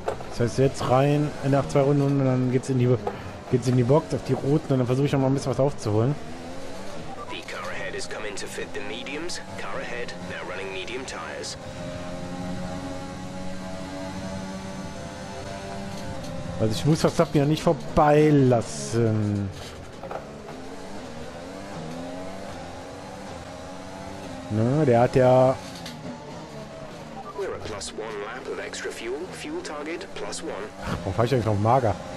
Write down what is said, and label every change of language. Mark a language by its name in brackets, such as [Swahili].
[German] Das heißt, jetzt rein nach zwei Runden und dann geht's in die Box auf die roten und dann versuche ich noch mal ein bisschen was aufzuholen. [English] The car ahead is coming to fit the mediums. Car ahead now running medium tires. [German] Also ich muss Verstappen ja nicht vorbeilassen. Na, der hat ja. [English] We're a plus one lap of extra fuel. Fuel target plus one. [German] Ach, warum fahre ich eigentlich noch mager?